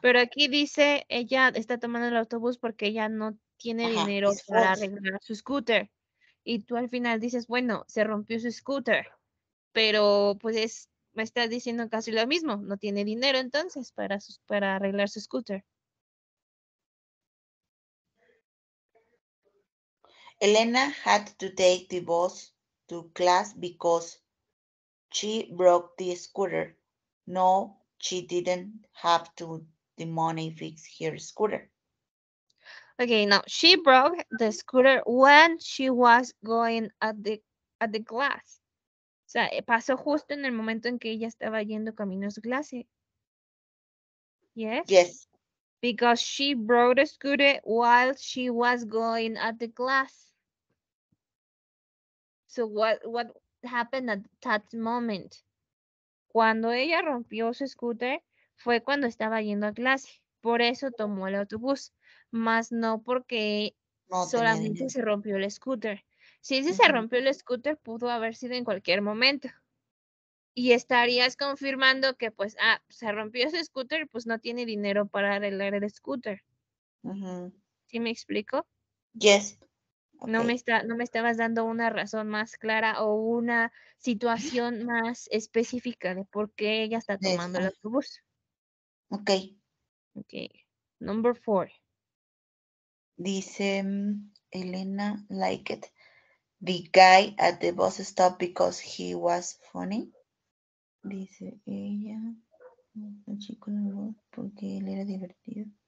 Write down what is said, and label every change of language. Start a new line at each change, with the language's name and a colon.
Spanish: Pero aquí dice ella está tomando el autobús porque ella no tiene ajá, dinero para arreglar su scooter. Y tú al final dices, bueno, se rompió su scooter. Pero, pues, es, me estás diciendo casi lo mismo. No tiene dinero, entonces, para arreglar su scooter.
English: Elena had to take the bus to class because she broke the scooter. No, she didn't have to the money fix her scooter. Okay, now, she broke the scooter when she was going at the class.
Spanish: O sea, pasó justo en el momento en que ella estaba yendo camino a su clase.
English: Yes? Yes. Because she broke the scooter while she was going at the class. So what happened at that moment?
Spanish: Cuando ella rompió su scooter, fue cuando estaba yendo a clase. Por eso tomó el autobús. Más no porque no, solamente se rompió el scooter. Si se rompió el scooter, pudo haber sido en cualquier momento. Y estarías confirmando que, pues, ah, se rompió ese scooter, pues no tiene dinero para arreglar el scooter. Uh-huh. ¿Sí me explico?
English: Yes. Okay.
Spanish: No me estabas dando una razón más clara o una situación más específica de por qué ella está tomando el autobús.
English: Okay. Okay. Number four.
Spanish: Dice
English: Elena, like it. The guy at the bus stop because he was funny.
Spanish: Dice ella, el chico en el bus porque él era divertido.